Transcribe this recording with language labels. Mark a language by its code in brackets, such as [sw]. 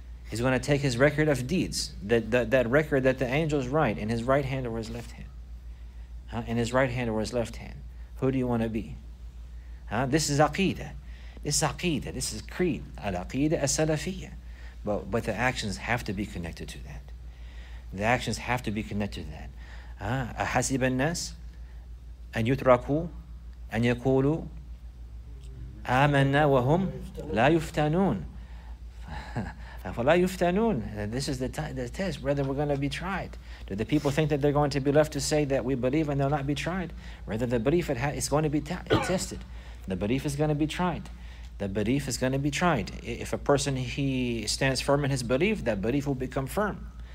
[en] He's going to take his record of deeds, that record that the angels write in his right hand or his left hand. In his right hand or his left hand. Who do you want to be? This is aqidah. This is aqidah. This is creed. Al-aqidah as-salafiyyah. But the actions have to be connected to that. The actions have to be connected to that. [ar] أحسب الناس أن يتركوا أن يقولوا آمنا وهم لا يفتنون. فلا يفتنون. [en] This is the test, whether we're going to be tried. Do the people think that they're going to be left to say that we believe and they'll not be tried? Rather, the belief is going to be tested. The belief is going to be tried. The belief is going to be tried. If a person, he stands firm in his belief, that belief will become firm.